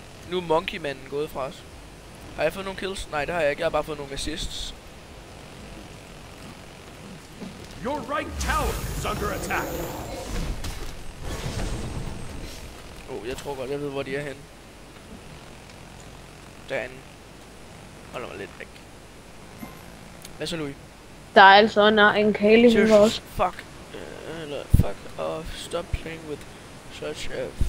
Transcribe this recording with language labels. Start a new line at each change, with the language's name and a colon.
Danish: Nu er monkeymanden gået fra os. Har jeg fået nogle kills? Nej, det har jeg ikke. Jeg har bare fået nogle assists.
English: Your right tower is under attack.
Danish: Jeg tror godt, jeg ved, hvor de er henne. Derinde. Holder mig lidt væk. Hvad så, Louis? Der er altså en kæle i vores.
English: Fuck. Fuck off. Stop playing with such a...